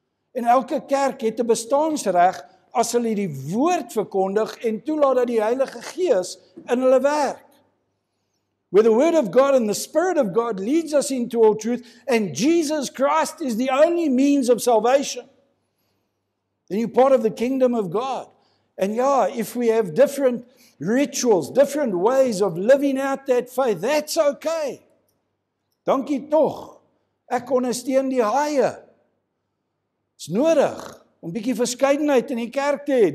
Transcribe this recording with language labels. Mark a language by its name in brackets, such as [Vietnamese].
[Afrikaans] En elke kerk het 'n bestaansreg as hulle die woord verkondig en toelaat dat die Heilige Gees in hulle werk. [English] Where the word of God and the spirit of God leads us into all truth and Jesus Christ is the only means of salvation. Then you're part of the kingdom of God. And yeah, if we have different rituals, different ways of living out that faith, that's okay. [Afrikaans] Dankie tog. Ek ondersteun die haie. Dit's nodig om bietjie verskeidenheid in die kerk te hê.